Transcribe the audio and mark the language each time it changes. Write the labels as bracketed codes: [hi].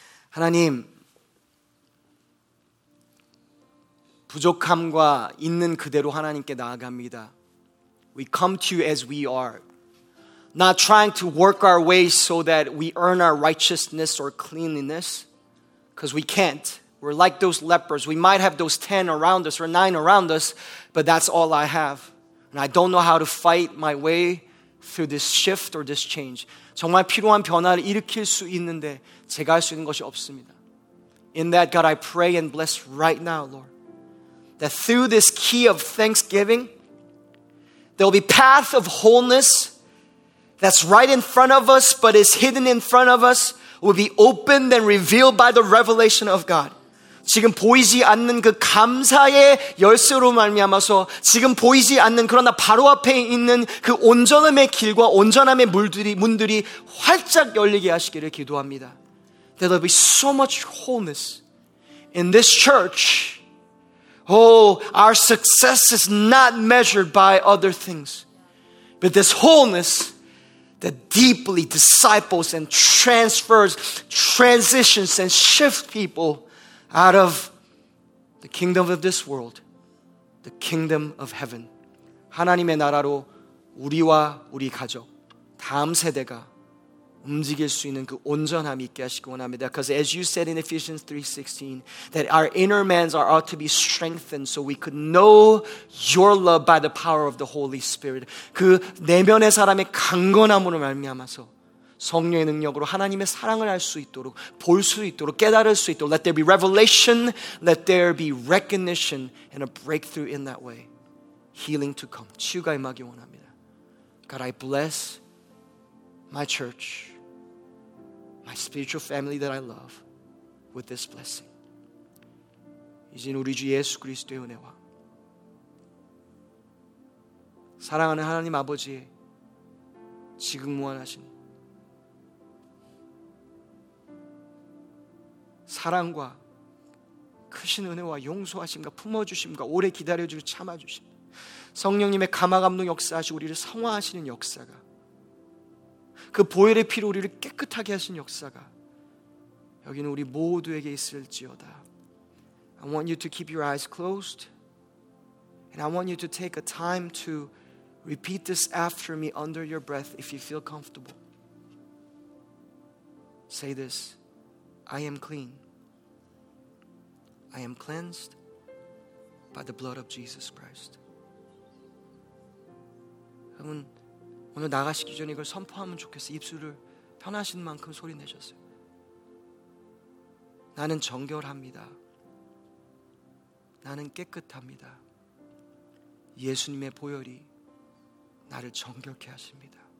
[ko] 하나님, 부족함과 있는 그대로 하나님께 나아갑니다. [en] We come to you as we are. Not trying to work our way so that we earn our righteousness or cleanliness, because we can't. We're like those lepers. We might have those 10 around us or 9 around us, but that's all I have. And I don't know how to fight my way through this shift or this change. [ko] 정말 필요한 변화를 일으킬 수 있는데 제가 할 수 있는 것이 없습니다. [en] In that, God, I pray and bless right now, Lord, that through this key of thanksgiving, there will be path of wholeness that's right in front of us, but is hidden in front of us, will be opened and revealed by the revelation of God. [ko] 지금 보이지 않는 그 감사의 열쇠로 말미암아서 지금 보이지 않는 그러나 바로 앞에 있는 그 온전함의 길과 온전함의 문들이 활짝 열리게 하시기를 기도합니다. [en] There will be so much wholeness in this church. Oh, our success is not measured by other things. But this wholeness that deeply disciples and transfers, transitions and shifts people out of the kingdom of this world, the kingdom of heaven. [ko] 하나님의 나라로 우리와 우리 가족, 다음 세대가 움직일 수 있는 그 온전함이 있게 하시기 원합니다. [en] Because as you said in Ephesians 3:16, that our inner man's are ought to be strengthened so we could know your love by the power of the Holy Spirit. [ko] 그 내면의 사람의 강건함으로 말미암아서 성령의 능력으로 하나님의 사랑을 알 수 있도록 볼 수 있도록 깨달을 수 있도록 [en] let there be revelation, let there be recognition and a breakthrough in that way. Healing to come. [ko] 치유가 임하기 원합니다. [en] God, I bless my church, my spiritual family that I love, with this blessing. [ko] 이제는 우리 주 예수 그리스도의 은혜와 사랑하는 하나님 아버지의 지금 무한하신 사랑과 크신 은혜와 용서하심과 품어주심과 오래 기다려주고 참아주심 성령님의 감화 감동 역사하시고 우리를 성화하시는 역사가 그 보혈의 피로 우리를 깨끗하게 하신 역사가 여기는 우리 모두에게 있을지어다. [en] I want you to keep your eyes closed and I want you to take a time to repeat this after me under your breath if you feel comfortable. Say this. I am clean. I am cleansed by the blood of Jesus Christ. [ko] 여러분, 오늘 나가시기 전에 이걸 선포하면 좋겠어요. 입술을 편하신 만큼 소리내셨어요. 나는 정결합니다. 나는 깨끗합니다. 예수님의 보혈이 나를 정결케 하십니다.